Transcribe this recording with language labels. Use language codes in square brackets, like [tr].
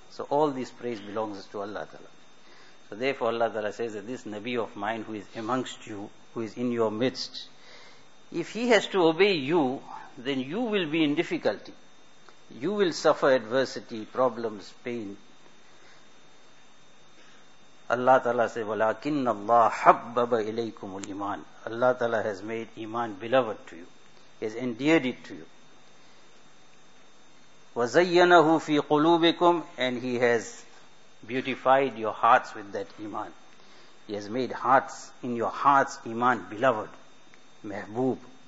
[en] So all this praise belongs to Allah Ta'ala. So therefore Allah Ta'ala says that this Nabi of mine who is amongst you, who is in your midst, if he has to obey you, then you will be in difficulty. You will suffer adversity, problems, pain. Allah Ta'ala says, [ar] وَلَكِنَّ اللَّهَ حَبَّبَ إِلَيْكُمُ الْإِيمَانِ. [en] Allah Ta'ala has made Iman beloved to you. He has endeared it to you. [ar] وَزَيَّنَهُ فِي قُلُوبِكُمْ. [en] And He has beautified your hearts with that Iman. He has made hearts, in your hearts, Iman beloved, Mahbub.